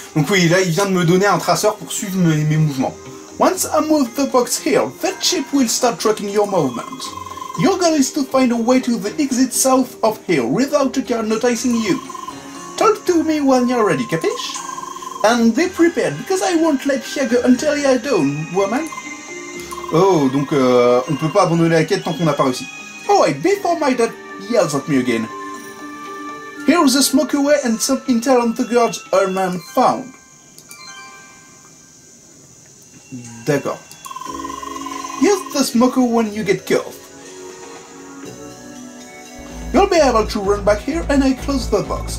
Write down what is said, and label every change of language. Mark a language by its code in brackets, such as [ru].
[fr] Donc oui, là, il vient de me donner un traceur pour suivre mes mouvements. [en] Once I move the box here, the chip will start tracking your movement. Your goal is to find a way to the exit south of here without a car noticing you. Talk to me when you're ready, capiche? And be prepared, because I won't let you go until you're done, woman. [fr] Oh, donc on peut pas abandonner la quête tant qu'on n'a pas réussi. [en] Oh wait, before my dad yells at me again. Here's a smoke away and some intel on the guards our man found. [fr] D'accord. [en] Use the smoker when you get killed. You'll be able to run back here and I close the box.